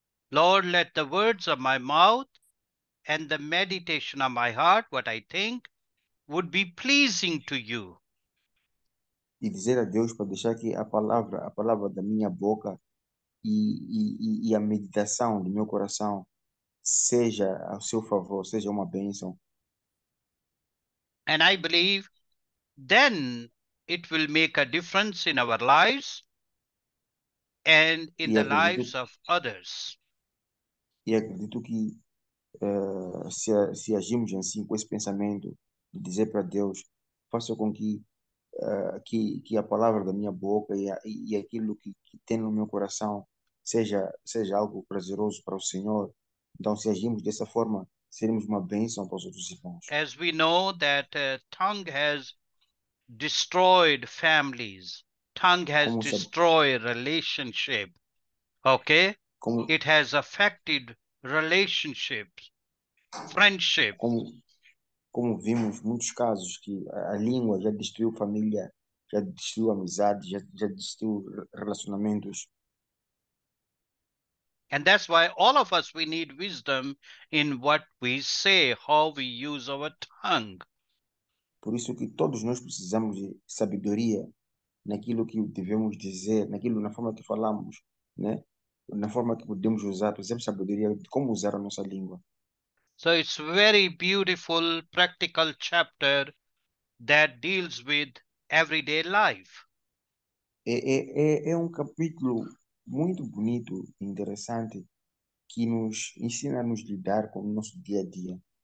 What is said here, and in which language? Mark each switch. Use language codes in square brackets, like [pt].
[en] Lord, let the words of my mouth and the meditation of my heart, what I think, would be pleasing to you. [pt] E dizer a Deus para deixar que a palavra da minha boca e a meditação do meu coração seja ao seu favor, seja uma bênção. [en] And I believe then it will make a difference in our lives and in the lives of others. [pt] E acredito que se agirmos assim, com esse pensamento de dizer para Deus, faça com que a palavra da minha boca e aquilo que tem no meu coração seja algo prazeroso para o Senhor. Então, se agirmos dessa forma, seremos uma bênção para os outros irmãos. [en] As we know that tongue has destroyed families, tongue has destroyed relationship, okay? It has affected relationships, friendships. [pt] Como vimos muitos casos que a língua já destruiu família, já destruiu amizade, já destruiu relacionamentos. [en] And that's why all of us, we need wisdom in what we say, how we use our tongue. [pt] Por isso que todos nós precisamos de sabedoria naquilo que devemos dizer, naquilo, na forma que falamos, né? Na forma que podemos usar, por exemplo, sabedoria de como usar a nossa língua. [en] So it's very beautiful, practical chapter that deals with everyday life. [pt] É um capítulo muito bonito, interessante, que nos ensina a nos lidar com o nosso dia a dia.